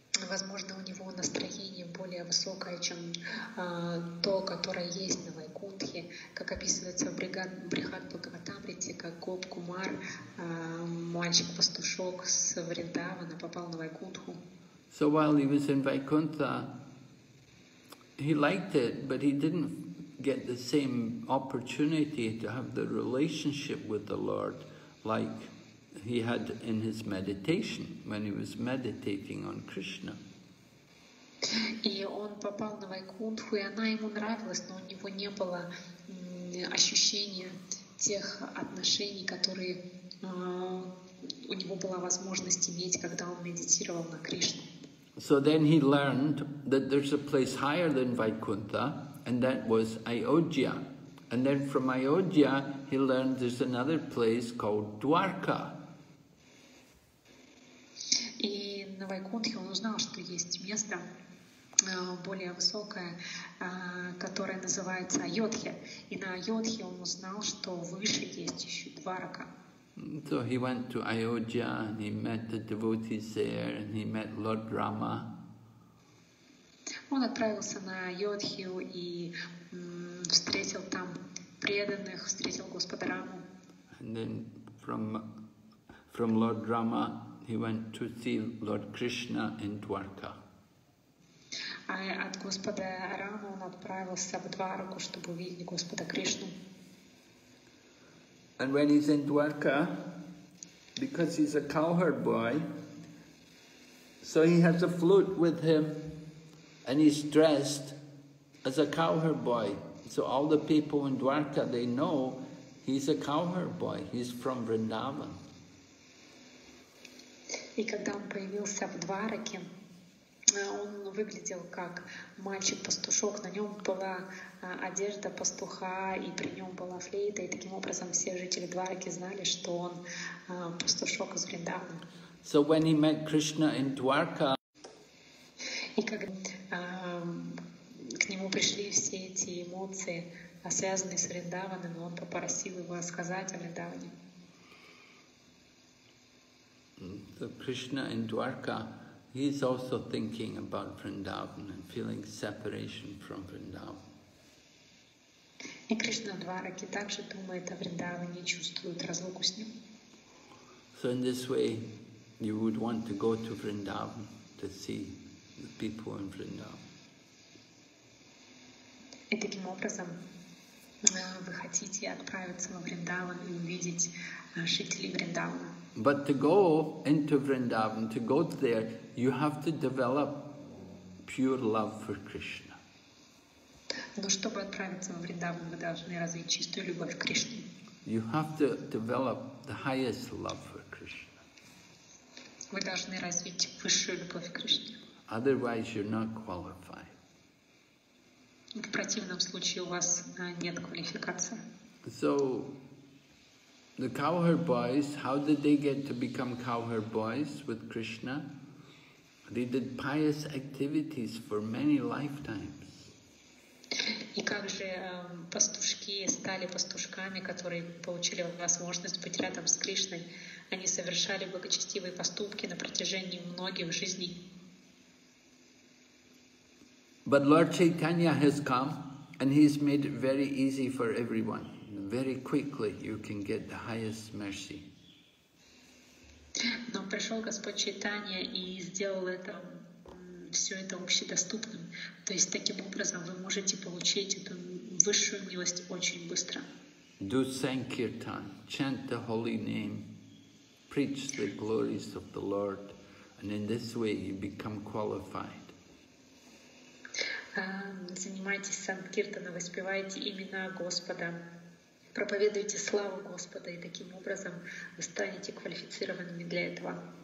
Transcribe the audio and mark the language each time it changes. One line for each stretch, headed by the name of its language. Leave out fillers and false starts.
Russian: Возможно, у него настроение более высокое, чем то, которое есть на Вайкунтхе, как описывается в Брихад Бхагаватамрите, как Гоп Кумар, мальчик-пастушок с Вриндавана попал на Вайкунтху.
English: So while he was in Vaikuntha, he liked it, but he didn't get the same opportunity to have the relationship with the Lord like he had in his meditation, when he was meditating on Krishna.
Russian: И он попал на Вайкунтху, и она ему нравилась, но у него не было ощущения тех отношений, которые у него была возможность иметь, когда он медитировал на Кришне.
English: So then he learned that there's a place higher than Vaikuntha, and that was Ayodhya. And then from Ayodhya, he learned there's another place called Dwarka.
Russian: И на Вайкунтхе он узнал, что есть место более высокое, которое называется Айодхья. И на Айодхье он узнал, что выше есть еще Дварака.
English: So he went to Ayodhya and he met the devotees there and he met Lord Rama.
Russian: Он отправился на Айодхью и встретил там преданных, встретил Господа Раму.
English: And then from Lord Rama, he went to see Lord Krishna in Dwarka.
Russian: От Господа Рамы он отправился в Дварку, чтобы увидеть Господа Кришну.
English: And when he's in Dwarka, because he's a cowherd boy, so he has a flute with him, and he's dressed as a cowherd boy. So all the people in Dwarka, they know he's a cowherd boy. He's from Vrindavan.
Russian: И когда он появился в Двараке, он выглядел как мальчик-пастушок. На нем была одежда пастуха, и при нем была флейта. И таким образом все жители Двараки знали, что он пастушок из Вриндавана.
English: So when he met Krishna in Dwarka,
Russian: и когда к нему пришли все эти эмоции, связанные с Вриндаваном, он попросил его рассказать о Вриндаване.
English: So Krishna in Dwarka, he is also thinking about Vrindavan and feeling separation from Vrindavan.
Russian: И Кришна в Двараке также думает о Вриндаване, чувствует разлуку с ним.
English: So in this way, you would want to go to Vrindavan to see the people in Vrindavan.
Russian: И таким образом, вы хотите отправиться во Вриндаван и увидеть жителей Вриндавана.
English: But to go into Vrindavan, to go there, you have to develop pure love for Krishna.
Russian: Но чтобы отправиться во Вриндаван, мы должны развить чистую любовь к Кришне.
English: You have to develop the highest love for Krishna.
Russian: Вы должны развить высшую любовь к Кришне.
English: Otherwise, you're not qualified.
Russian: В противном случае у вас нет квалификации.
English: So, the cowherd boys, how did they get to become cowherd boys with Krishna? They did pious activities for many lifetimes.
Russian: И как же пастушки стали пастушками, которые получили возможность быть рядом с Кришной? Они совершали благочестивые поступки на протяжении многих жизней.
English: But Lord Chaitanya has come, and he's made it very easy for everyone. Very quickly you can get the highest mercy.
Russian: Но пришел Господь Чайтанья и сделал это все это общедоступным. То есть таким образом вы можете получить эту высшую милость очень быстро.
English: Do sankirtan, chant the holy name, preach the glories of the Lord, and in this way you become qualified.
Russian: Занимайтесь санкиртаном, воспевайте имена Господа, проповедуйте славу Господа, и таким образом вы станете квалифицированными для этого.